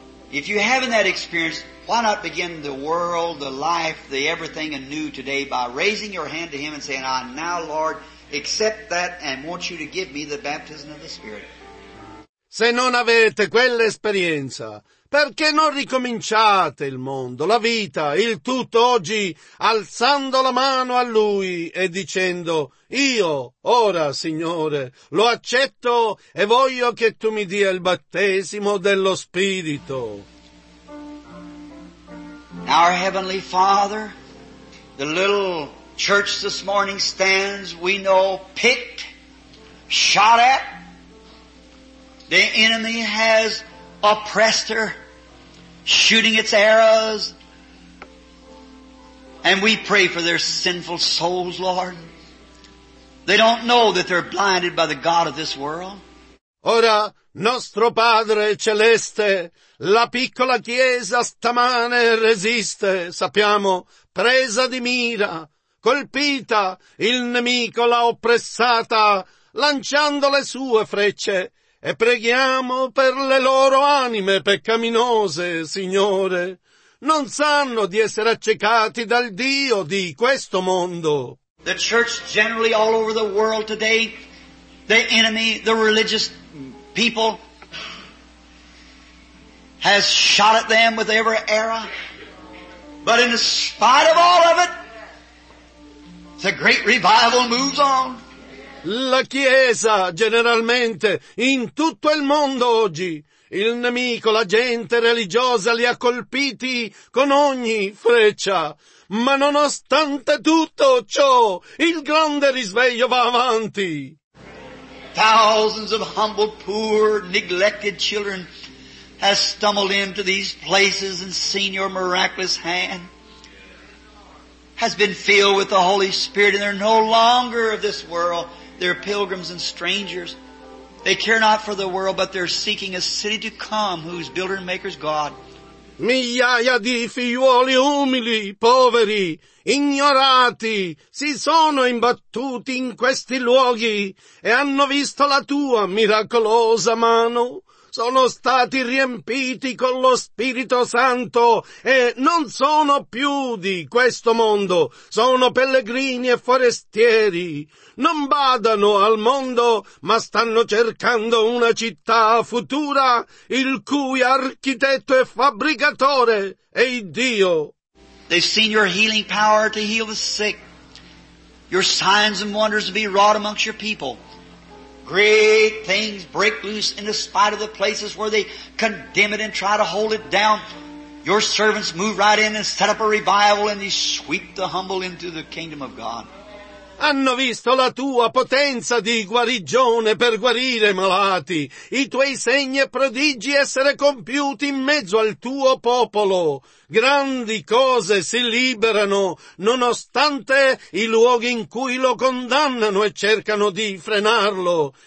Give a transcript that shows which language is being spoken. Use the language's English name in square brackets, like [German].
[English] If you haven't that experience, why not begin the world, the life, the everything anew today by raising your hand to Him and saying, I now, Lord, accept that and want you to give me the baptism of the Spirit. [Italian] Se non avete quell'esperienza, perché non ricominciate il mondo, la vita, il tutto oggi, alzando la mano a Lui e dicendo, io ora, Signore, lo accetto e voglio che Tu mi dia il battesimo dello Spirito. [English] Our Heavenly Father, the little church this morning stands, we know, picked, shot at. The enemy has oppressed her, shooting its arrows. And we pray for their sinful souls, Lord. They don't know that they're blinded by the God of this world. [Italian] Ora, nostro Padre Celeste, la piccola chiesa stamane resiste, sappiamo, presa di mira. Colpita, il nemico l'ha oppressata, lanciando le sue frecce, e preghiamo per le loro anime peccaminose, Signore. Non sanno di essere accecati dal Dio di questo mondo. [English] The church generally all over the world today, the enemy, the religious people, has shot at them with every arrow. But in spite of all of it, the great revival moves on. [Italian] La Chiesa, generalmente, in tutto il mondo oggi, il nemico, la gente religiosa li ha colpiti con ogni freccia. Ma nonostante tutto ciò, il grande risveglio va avanti. [English] Thousands of humble, poor, neglected children have stumbled into these places and seen your miraculous hand. Has been filled with the Holy Spirit, and they're no longer of this world. They're pilgrims and strangers. They care not for the world, but they're seeking a city to come whose builder and maker is God. [Italian] Migliaia di figliuoli umili, poveri, ignorati, si sono imbattuti in questi luoghi e hanno visto la tua miracolosa mano. Sono stati riempiti con lo Spirito Santo e non sono più di questo mondo. Sono pellegrini e forestieri. Non badano al mondo, ma stanno cercando una città futura, il cui architetto e fabbricatore è Dio. [English] They've seen your healing power to heal the sick, your signs and wonders to be wrought amongst your people. Great things break loose in spite of the places where they condemn it and try to hold it down. Your servants move right in and set up a revival and you sweep the humble into the kingdom of God. [Italian] Hanno visto la tua potenza di guarigione per guarire malati, i tuoi segni e prodigi essere compiuti in mezzo al tuo popolo. Grandi cose si liberano, nonostante i luoghi in cui lo condannano e cercano di frenarlo.